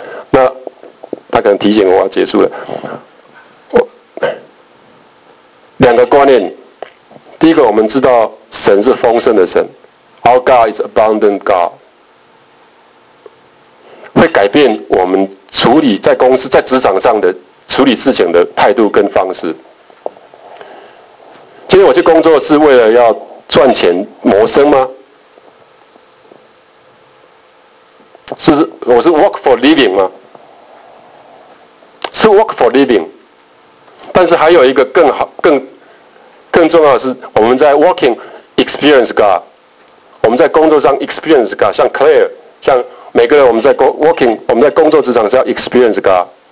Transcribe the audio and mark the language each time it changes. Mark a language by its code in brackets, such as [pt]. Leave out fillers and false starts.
[zh] 那他可能提醒我要结束了。我两个观念，第一个，我们知道神是丰盛的神 ， [en] Our God is abundant God， [zh] 会改变我们处理在公司、在职场上的处理事情的态度跟方式。今天我去工作是为了要赚钱谋生吗？是我是 [en] work for living [zh] 吗？是 [en] work for living， [zh] 但是还有一个更好、更重要的是，我们在 [en] working experience God， [zh] 我们在工作上 [en] experience God， [zh] 像 Claire， 像每个人，我们在 [en] working， [zh] 我们在工作职场是要 [en] experience God。